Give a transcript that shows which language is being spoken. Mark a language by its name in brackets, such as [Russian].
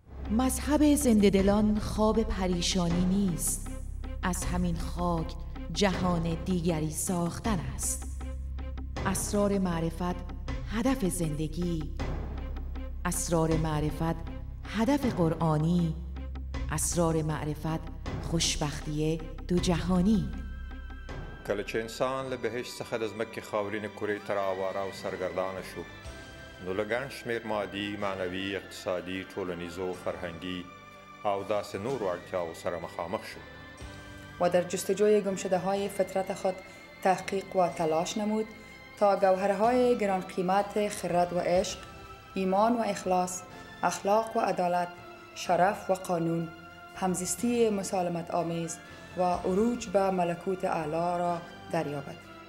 [Persian] مذهب زنده دلان خواب پریشانی نیست، از همین خاک جهان دیگری ساختن است. اسرار معرفت هدف زندگی، اسرار معرفت هدف قرآنی، اسرار معرفت خوشبختی دو جهانی. [Pashto] کله چه انسان له بهشت څخه د ځمکې خاورین کورې ته راواره او سرګردانه شو، نو له ګڼ شمېر مادي، معنوي، اقتصادي، ټولنیزو، فرهنګي او داسې نورو اړتیاو سره مخامخ شو [Persian] و در جستجوی گمشده های فطرت خود تحقیق و تلاش نمود تا گوهرهای گران قیمت خرد و عشق، ایمان و اخلاص، اخلاق و عدالت، شرف و قانون، همزیستی مسالمت آمیز و عروج به ملکوت اعلی را دریابد.